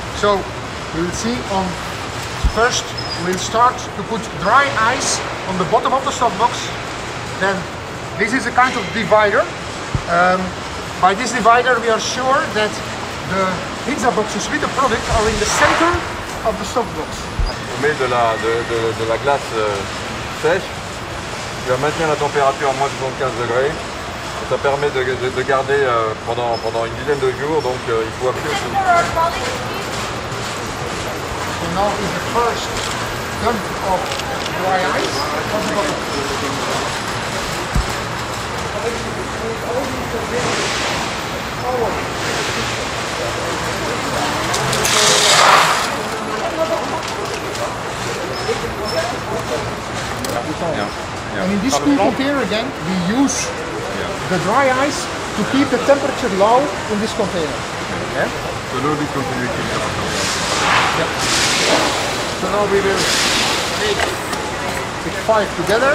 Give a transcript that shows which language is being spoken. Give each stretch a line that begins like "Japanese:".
English: So, we will see on first, we'll start to put dry ice on the bottom of the softbox. Then, this is a kind of divider. By this divider, we are sure that the pizza boxes with the product are in the center of the softbox.
French: On met de la glace sèche. Tu vas maintenir la température à moins de 75 degrés. Ça permet de garder pendant une dizaine de jours, donc il faut appuyer aussi.
English: And in this cool container again, we use the dry ice to keep the temperature low in this container. So now we will take the container out. So now we will take the five together.